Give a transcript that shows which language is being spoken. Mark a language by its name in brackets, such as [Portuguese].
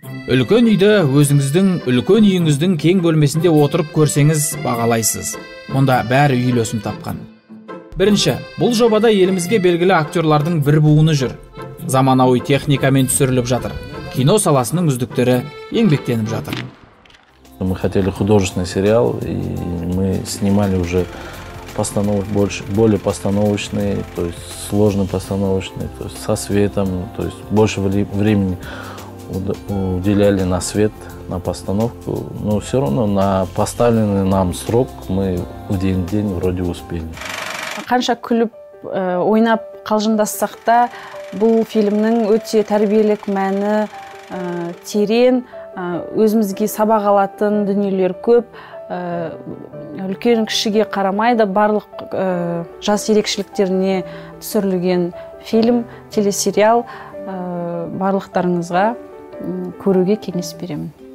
[Kazakh] Үлкен үйді өзіңіздің үлкен үйіңіздің кең бөлмесінде отырып көрсеңіз бағалайсыз. Мұнда бәрі үйлесім тапқан. Бірінші, бұл жобада елімізге белгілі актерлардың бір буыны жүр. Заманауи техникамен түсіріліп жатыр. Кино саласының үздіктері еңбектеніп жатыр. [Russian] Мы хотели художественный сериал, и мы снимали уже более постановочные, то есть сложные постановочные, то есть со светом, то есть больше времени уделяли на свет, на постановку. Но все равно на поставленный нам срок мы в день вроде успели. [Kazakh] Қанша күліп, ойнап қалжындассақ та, бұл фильмнің өте тәрбиелік мәні терен, өзімізге сабақ алатын дүниелер көп, үлкен кішіге қарамайды, барлық жас ерекшеліктеріне түсірілген фильм, телесериал барлықтарыңызға көруге кеңес беремін.